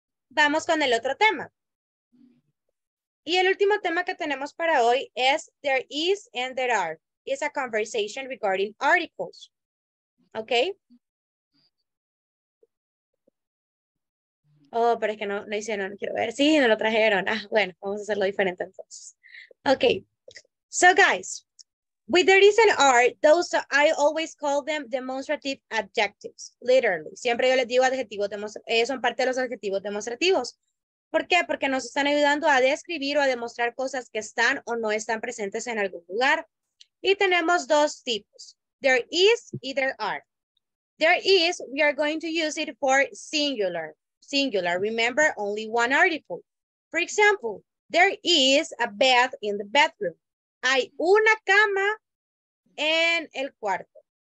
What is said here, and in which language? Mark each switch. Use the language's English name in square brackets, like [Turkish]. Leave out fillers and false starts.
[Spanish] Vamos con el otro tema. Y el último tema que tenemos para hoy es [English] there is and there are. It's a conversation regarding articles. Okay. [Spanish] Oh, pero es que no hicieron, quiero ver. Sí, no lo trajeron. Ah, bueno, vamos a hacerlo diferente entonces. Okay. [English] So guys, with there is and are, those I always call them demonstrative adjectives, literally. [Spanish] Siempre yo les digo adjetivos demostrativos, son parte de los adjetivos demostrativos. ¿Por qué? Porque nos están ayudando a describir o a demostrar cosas que están o no están presentes en algún lugar. Y tenemos dos tipos, there is y there are. [English] There is, we are going to use it for singular. Singular, remember, only one article. For example, there is a bed in the bedroom. [Spanish] Hay una cama en el cuarto.